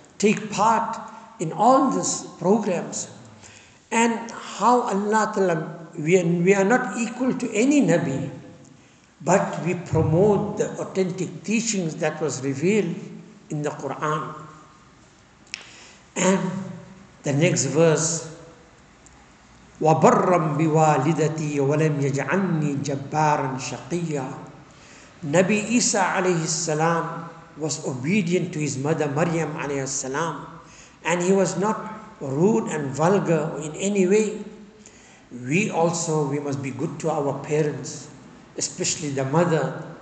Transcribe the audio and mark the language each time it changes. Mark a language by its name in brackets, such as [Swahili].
[English] Take part in all these programs. And how Allah Ta'ala, we are not equal to any Nabi, but we promote the authentic teachings that was revealed in the Quran. And the next verse, [Arabic] وَبَرَّمْ بِوَالِدَتِي وَلَمْ يَجْعَلْنِي جَبَّارًا شَقِيًّا. [English] Nabi Isa alayhi salam was obedient to his mother Maryam alayhi salam, and he was not rude and vulgar in any way. We must be good to our parents, especially the mother.